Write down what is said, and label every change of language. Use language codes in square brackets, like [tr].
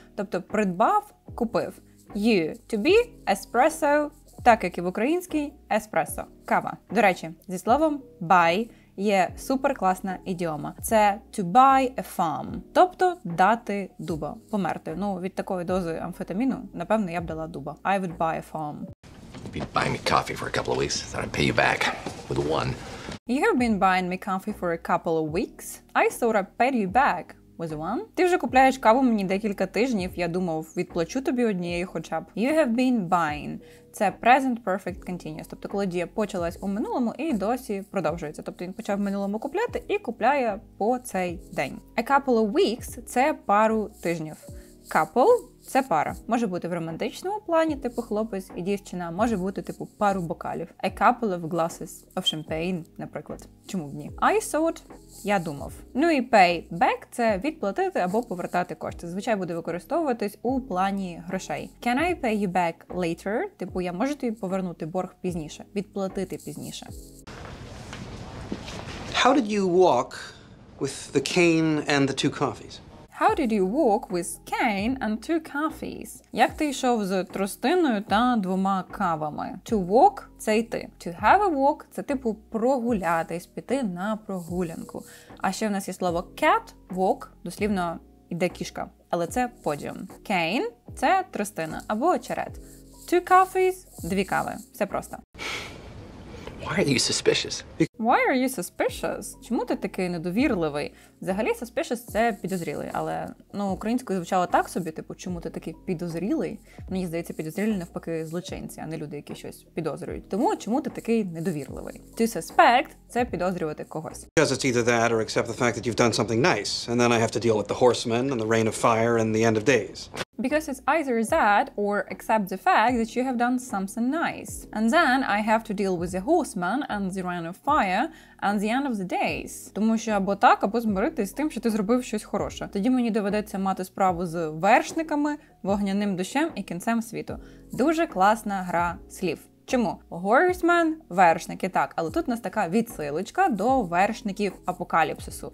[uk] Тобто придбав – купив. [en] You – to be – espresso. [uk] Так, як і в українській – espresso. Кава. До речі, зі словом buy – є суперкласна ідіома. Це [en] to buy a farm, [uk] тобто дати дуба, померти. Ну, від такої дози амфетаміну, напевно, я б дала дуба. [en] I would buy a farm. You've been buying me coffee for a couple of weeks. Thought I'd pay you back with one. You have been buying me coffee for a couple of weeks. I thought I'd pay you back with one. [uk] Ти вже купляєш каву мені декілька тижнів. Я думав, відплачу тобі однією хоча б. [en] You have been buying. [uk] Це present perfect continuous, тобто коли дія почалась у минулому і досі продовжується. Тобто він почав в минулому купляти і купляє по цей день. [en] A couple of weeks [uk] – це пару тижнів. Couple – це пара. Може бути в романтичному плані, типу хлопець і дівчина. Може бути, типу, пару бокалів. [en] A couple of glasses of champagne, [uk] наприклад. Чому б ні? [en] I thought – [uk] я думав. Ну і pay back – це відплатити або повертати кошти. Звичай буде використовуватись у плані грошей. [en] Can I pay you back later? [uk] Типу, я можу тобі повернути борг пізніше, відплатити пізніше. [en] How did you walk with the cane and the two coffees? How did you walk with cane and two coffees? [uk] Як ти йшов з тростиною та двома кавами? To walk – це йти. [en] To have a walk [uk] – це типу прогулятись, піти на прогулянку. А ще в нас є слово cat – walk, дослівно йде кішка, але це подіум. Cane – це тростина або очерет. Two coffees – дві кави. Все просто. [en] Why are you suspicious? Why are you suspicious? [uk] Чому ти такий недовірливий? Взагалі, suspicious – це підозрілий, але, ну, українською звучало так собі, типу, чому ти такий підозрілий? Мені здається, підозрілі навпаки злочинці, а не люди, які щось підозрюють. Тому чому ти такий недовірливий? To suspect – це підозрювати когось. [en] Because it's either that or accept the fact that you've done something nice, and then I have to deal with the horsemen and the rain of fire and the end of days. Because it's either that or accept the fact that you have done something nice. And then I have to deal with the horseman and the rain of fire and the end of the days. [uk] Тому що або так, або змиритись з тим, що ти зробив щось хороше. Тоді мені доведеться мати справу з вершниками, вогняним дощем і кінцем світу. Дуже класна гра слів. Чому? Horseman – вершники, так, але тут у нас така відсилочка до вершників апокаліпсису.